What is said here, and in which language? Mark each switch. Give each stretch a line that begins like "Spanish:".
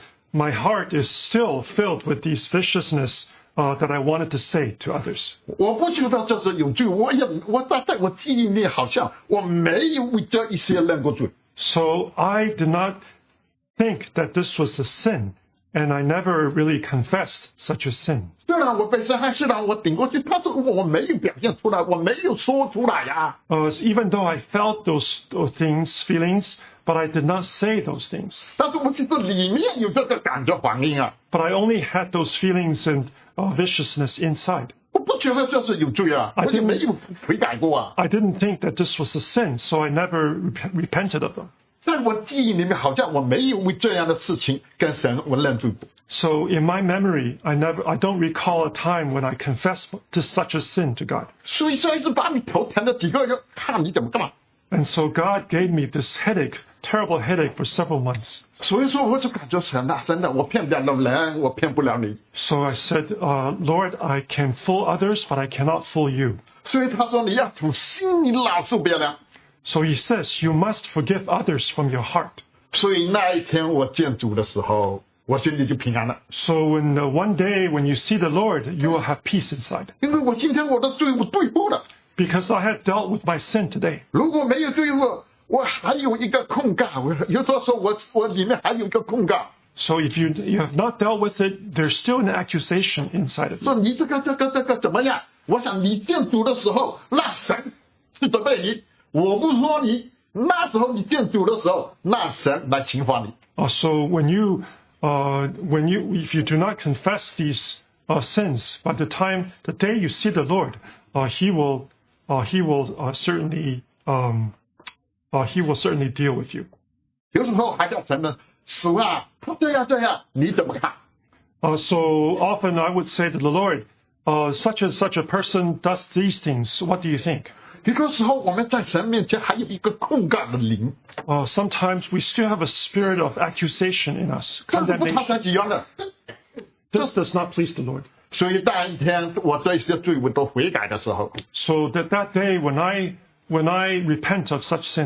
English: My heart is still filled with these viciousness that I wanted to say to others.
Chinese: 我不知道这是有罪，我但在我记忆里好像我没有这一些那个罪。
English: So I did not think that this was a sin, and I never really confessed such a sin.
Chinese: 虽然我被伤害，虽然我顶过去，但是我没有表现出来，我没有说出来呀。
English: Even though I felt those things, feelings. But I did not say those things.
Chinese: 但是我其实里面有这个感觉反应啊。
English: But I only had those feelings and viciousness inside.
Chinese: 我不觉得这是有罪啊，我就没有悔改过啊。
English: I didn't think that this was a sin, so I never repented of them.
Chinese: 在我记忆里面，好像我没有为这样的事情跟神我认罪过。
English: So in my memory, I don't recall a time when I confessed to such a sin to God.
Chinese: 所以上一次把你头疼了几个月，看你怎么干嘛。
English: And so God gave me this headache, terrible headache for several months.
Chinese: 所以说我就感觉神啊，真的，我骗不了人，我骗不了你。
English: So I said, Lord, I can fool others, but I cannot fool you.
Chinese: 所以他说你要从心里拿出别人。
English: So he says, you must forgive others from your heart.
Chinese: 所以那一天我见主的时候，我心里就平安了。
English: So when one day when you see the Lord, you will have peace inside.
Chinese: 因为我今天我的罪我对付了。
English: Because I had dealt with my sin today.
Chinese: 如果没有罪恶，我还有一个控告。有的时候我里面还有一个控告。
English: So if you have not dealt with it, there's still an accusation inside of you.
Chinese: 说你这个怎么样？我想你见主的时候，那神是责备你。我不说你，那时候你见主的时候，那神来惩罚你。
English: So if you do not confess these sins, by the day you see the Lord, He will certainly deal with you.
Chinese: 有时候还叫神呢，主啊，他这样这样，你怎么看？
English: So often I would say to the Lord, such and such a person does these things. What do you think?
Chinese: 有时候我们在神面前还有一个控告的灵。
English: Sometimes we still have a spirit of accusation in us.
Chinese: 但是不讨神喜悦的。
English: This does not please the Lord.
Chinese: 所以那一天我这些罪我都悔改的时候
English: ，So that day when I repent of such sins，